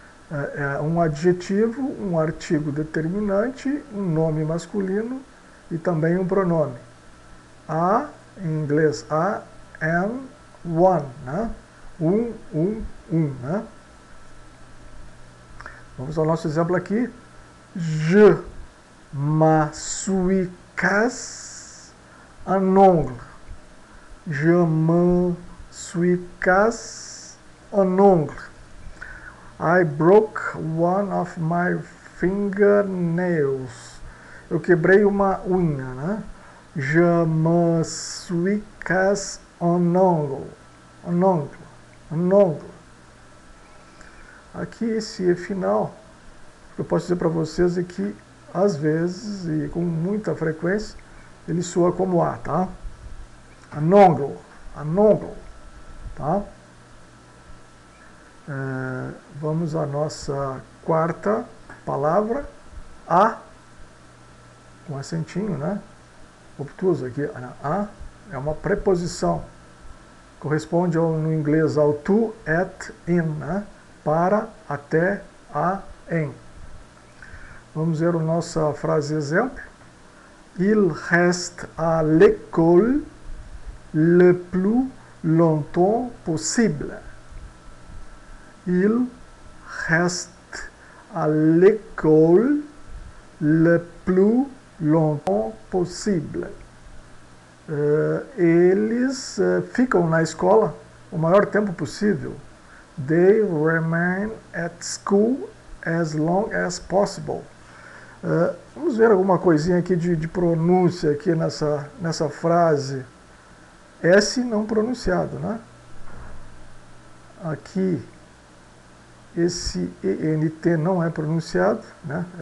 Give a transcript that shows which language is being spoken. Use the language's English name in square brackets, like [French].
[Portuguese] É um adjetivo, um artigo determinante, um nome masculino e também um pronome. A, em inglês, a, am, one, né? Um, né? Vamos ao nosso exemplo aqui. [French] Je me suis casse un ongle. Je me suis casse un ongle. [English] I broke one of my fingernails. [Portuguese] Eu quebrei uma unha, né? [French] Je me suis casse un ongle. Un ongle. [Portuguese] Aqui esse final. O que eu posso dizer para vocês é que, às vezes, e com muita frequência, ele soa como A, tá? Anongo, anongo, tá? Vamos à nossa quarta palavra, A, com acentinho, né? Obtuso aqui, A é uma preposição, corresponde ao, no inglês ao [English] to, at, in, [Portuguese] né? Para, até, a, em. Vamos ver a nossa frase exemplo. [French] Il reste à l'école le plus longtemps possible. Il reste à l'école le plus longtemps possible. [Portuguese] Eles ficam na escola o maior tempo possível. [English] They remain at school as long as possible. [Portuguese] Vamos ver alguma coisinha aqui de pronúncia aqui nessa frase. S não pronunciado, né? Aqui, esse ENT não é pronunciado, né?